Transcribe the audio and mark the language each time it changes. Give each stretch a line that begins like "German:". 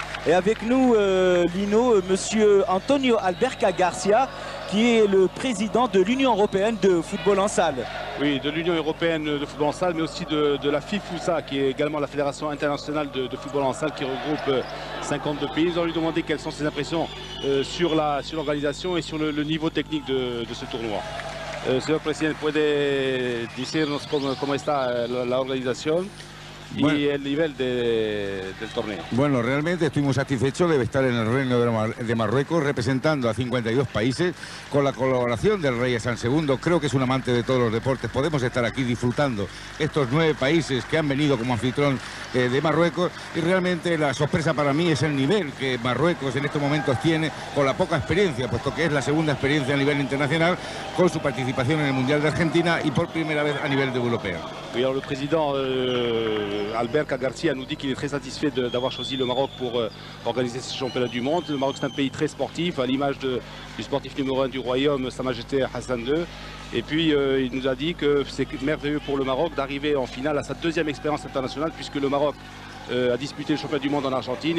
French: Et avec nous, Lino, monsieur Antonio Alberca Garcia, qui est le président de l'Union Européenne de Football en Salle. Oui, de l'Union Européenne de Football en Salle, mais aussi de la FIFUSA, qui est également la Fédération Internationale de Football en Salle, qui regroupe 52 pays. Nous allons lui demander quelles sont ses impressions sur l'organisation et sur le niveau technique de ce tournoi.
Spanish: Señor presidente, ¿puede decirnos cómo está la organización? Y bueno, el nivel del torneo. Bueno, realmente estoy muy satisfecho de estar en el Reino de Marruecos representando a 52 países con la colaboración del Rey San Segundo. Creo que es un amante de todos los deportes. Podemos estar aquí disfrutando estos 9 países que han venido como anfitrión de Marruecos. Y realmente la sorpresa para mí es el nivel que Marruecos en estos momentos tiene con la poca experiencia, puesto que es la segunda experiencia a nivel internacional con su participación en el Mundial de Argentina y por primera vez a nivel de europeo.
French: Oui, alors le président Alberca Garcia nous dit qu'il est très satisfait d'avoir choisi le Maroc pour organiser ce championnat du monde. Le Maroc, c'est un pays très sportif, à l'image du sportif numéro 1 du royaume, Sa Majesté Hassan II. Et puis, il nous a dit que c'est merveilleux pour le Maroc d'arriver en finale à sa deuxième expérience internationale, puisque le Maroc a disputé le championnat du monde en Argentine.